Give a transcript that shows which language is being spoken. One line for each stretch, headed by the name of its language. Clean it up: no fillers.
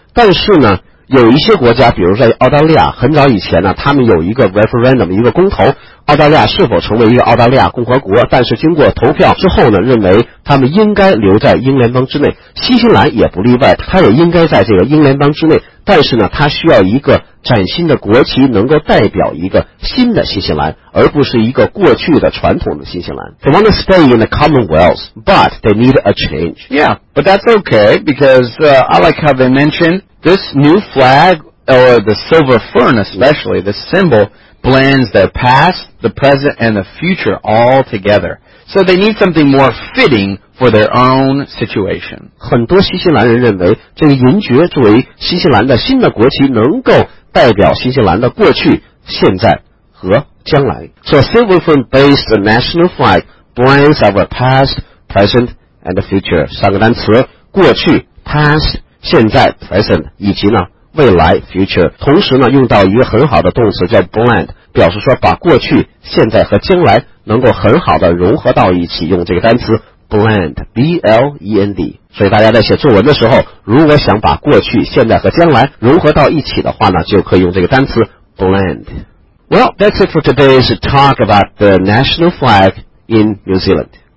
Chinese: 但是呢，有一些国家，比如在澳大利亚，很早以前呢，他们有一个 referendum， 一个公投，澳大利亚是否成为一个澳大利亚共和国，但是经过投票之后呢，认为他们应该留在英联邦之内，新西兰也不例外，他也应该在这个英联邦之内，但是呢，他需要一个崭新的国旗能够代表一个新的新西兰，而不是一个过去的传统的新西兰。
English: They want to stay in the Commonwealth, but they need a change. Yeah, but that's okay, because I like how they mentioned this new flag, or the silver fern especially, the symbol,blends the past, the present, and the future all together. So they need something more fitting for their own situation.
Chinese: 很多新西兰人认为这个银爵作为新西兰的新的国旗能够代表新西兰的过去、现在和将来。
English: So silver fern based national flag blends our past, present, and the future.
Chinese: 三个单词，过去 past, 现在 present, 以及呢未来 future， 同时呢用到一个很好的动词叫 blend， 表示说把过去、现在和将来能够很好的融合到一起，用这个单词 blend， b l e n d。所以大家在写作文的时候，如果想把过去、现在和将来融合到一起的话呢，就可以用这个单词 blend。
English: Well, that's it for today's talk about the national flag in New Zealand.